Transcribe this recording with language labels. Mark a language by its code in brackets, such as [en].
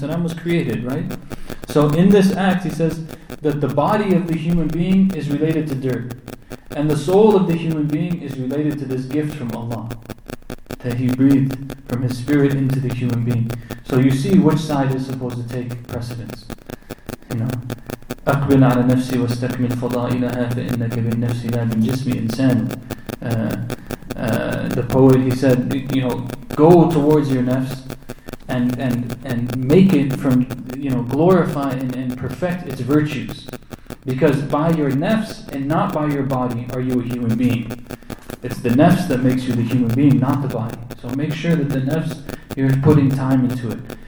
[en] was created, right? So in this act, he says that the body of the human being is related to dirt. And the soul of the human being is related to this gift from Allah, that he breathed from his spirit into the human being. So you see which side is supposed to take precedence. You know, [ar] أقبل على نفسي واستكمل فضائلها فإنك بالنفس لا بالجسم إنسان. [en] The poet, he said, you know, go towards your nafs and make it from, you know, glorify and perfect its virtues. Because by your nafs and not by your body are you a human being. It's the nafs that makes you the human being, not the body. So make sure that the nafs, you're putting time into it.